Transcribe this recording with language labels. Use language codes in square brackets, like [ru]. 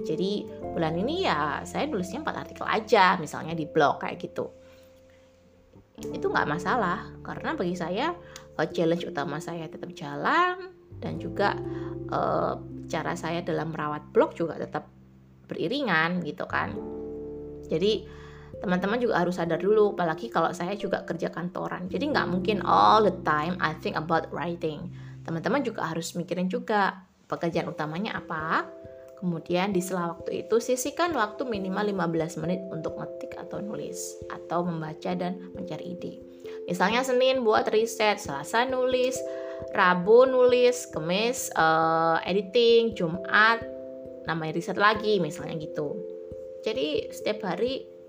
[id] Jadi bulan ini ya saya nulisnya 4 artikel aja, misalnya di blog kayak gitu. Itu gak masalah, karena bagi saya challenge utama saya tetap jalan, dan juga cara saya dalam merawat blog juga tetap beriringan gitu kan. Jadi teman-teman juga harus sadar dulu, apalagi kalau saya juga kerja kantoran. Jadi nggak mungkin [en] all the time I think about writing. [id] Teman-teman juga harus mikirin juga pekerjaan utamanya apa. Kemudian di sela waktu itu sisihkan waktu minimal 15 menit untuk ngetik atau nulis. Atau membaca dan mencari ide. Misalnya Senin buat riset, Selasa nulis, Rabu nulis, Kamis editing, Jumat namanya riset lagi misalnya gitu. Jadi setiap hari